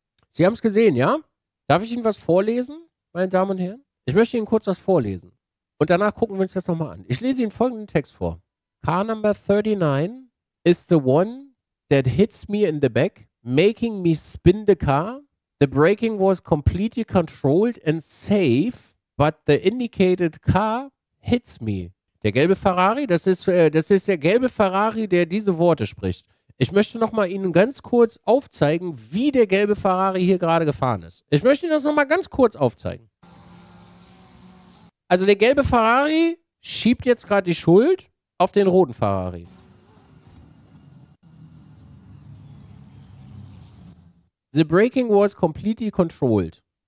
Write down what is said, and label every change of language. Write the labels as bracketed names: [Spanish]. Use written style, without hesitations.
[German] Sie haben es gesehen, ja? Darf ich Ihnen was vorlesen, meine Damen und Herren? Ich möchte Ihnen kurz was vorlesen. Und danach gucken wir uns das nochmal an. Ich lese Ihnen folgenden Text vor. [English] Car number 39 is the one that hits me in the back, making me spin the car. The braking was completely controlled and safe, but the indicated car hits me. [German] Der gelbe Ferrari, das ist der gelbe Ferrari, der diese Worte spricht. Ich möchte noch mal Ihnen ganz kurz aufzeigen, wie der gelbe Ferrari hier gerade gefahren ist. Ich möchte Ihnen das noch mal ganz kurz aufzeigen. Also der gelbe Ferrari schiebt jetzt gerade die Schuld auf den roten Ferrari. [English] The braking was completely controlled.